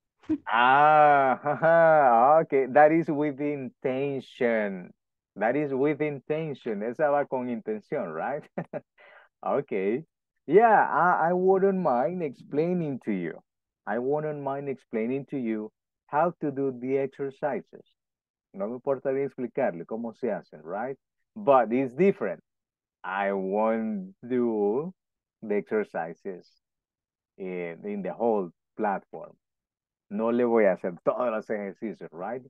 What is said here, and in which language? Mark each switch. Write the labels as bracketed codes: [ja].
[en] Okay. That is with intention. That is with intention. [es] Esa va con intención, [en] right? Okay. Yeah, I wouldn't mind explaining to you. I wouldn't mind explaining to you how to do the exercises. [es] No me importaría explicarle cómo se hacen, right? [en] But it's different. I won't do the exercises in the whole platform. [es] No le voy a hacer todos los ejercicios, right?